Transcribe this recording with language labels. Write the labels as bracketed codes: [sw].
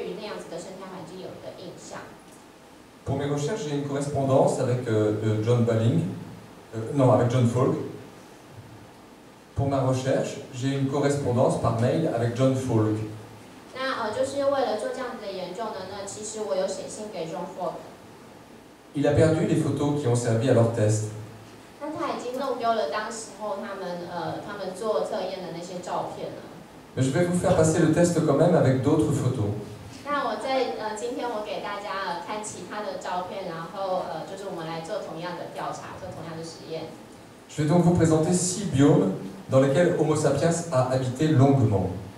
[zh] 他其实他的假设就是说，我们是不是可以让人问人们，就是说知道就是在哪样子的一个生态环境当中，人类长期演化的一个生态环境当中，是不是人类有那样子对于那样子的生态环境有的印象 [fr] ？Pour mes recherches, j'ai une correspondance avec John Balling, avec John Folk. Pour ma recherche, j'ai une correspondance par mail avec John Folk. [zh] 那就是为了做这样子的研究呢，那其实我有写信给John Folk。 [fr] Il a perdu les photos qui ont servi à leur test. [zh] 那他已经弄丢了当时候他们做测验的那些照片了。 [fr] Je vais vous faire passer le test quand même avec d'autres photos. [zh] 那我在今天我给大家看其他的照片，然后就是我们来做同样的调查，做同样的实验。 [fr] Je vais donc vous présenter 6 biomes dans lesquels Homo sapiens a habité longuement.